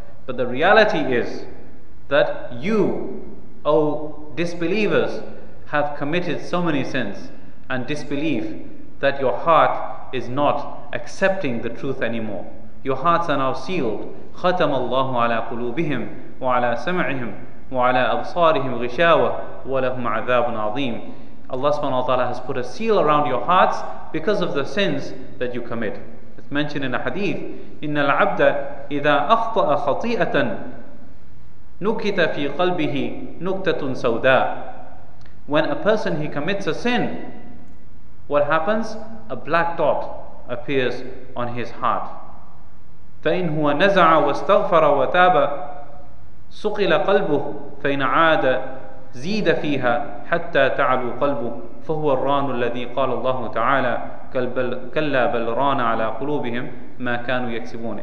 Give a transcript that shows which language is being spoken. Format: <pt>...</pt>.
<en>But the reality is that you, O disbelievers, have committed so many sins and disbelief that your heart is not accepting the truth anymore. Your hearts are now sealed.</en> <ar>خَتَمَ اللَّهُ عَلَىٰ قُلُوبِهِمْ وَعَلَىٰ سَمْعِهِمْ وَعَلَىٰ أَبْصَارِهِمْ غِشَاوَةٌ وَلَهُمْ عَذَابٌ عَظِيمٌ.</ar> <en>Allah subhanahu wa ta'ala has put a seal around your hearts because of the sins that you commit. It's mentioned in a hadith,</en> <ar>إِنَّ الْعَبْدَ إِذَا أَخْطَأَ خَطِيئَةً نُكِتَ فِي قَلْبِهِ نُكْتَةٌ سَوْدَىٰ.</ar> <en>When a person, he commits a sin, what happens? A black dot appears on his heart.</en> <ar>فَإِنْ هُوَ نَزَعَ وَاسْتَغْفَرَ وَتَابَ سُقِلَ قَلْبُهُ فَإِنْ عَادَ زِيدَ فِيهَا حَتَّى تَعْلُوا قَلْبُهُ فَهُوَ الرَّانُ الَّذِي قَالَ اللَّهُ تَعَالَى كَلَّا بَلْ رَانَ عَلَىٰ قُلُوبِهِمْ مَا كَانُوا يَكْسِبُونَ.</ar>